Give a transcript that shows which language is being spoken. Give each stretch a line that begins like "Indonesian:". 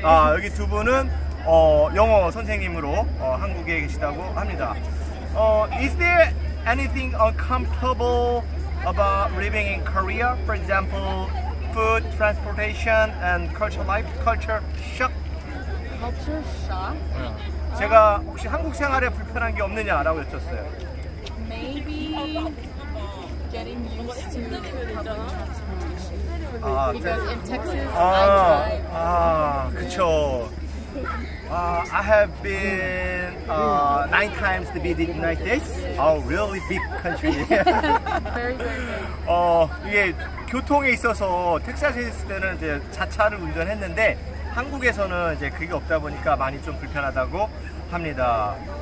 Korean: 아 여기 두 분은 영어 선생님으로 한국에 계시다고 합니다.
English: Is there anything uncomfortable about living in Korea? For example, food, transportation, and culture life, culture shock. Culture shock. Yeah.
Korean: 제가 혹시 한국 생활에 불편한 게 없느냐라고 여쭤봤어요.
English: Maybe getting used to public transportation. Because in Texas, I drive.
Korean: 그쵸.
English: I have been 9 times to be the United States. A really big country. Very, very big.
Korean: 이게 교통에 있어서 텍사스에 있을 때는 이제 자차를 운전했는데 한국에서는 이제 그게 없다 보니까 많이 좀 불편하다고 합니다.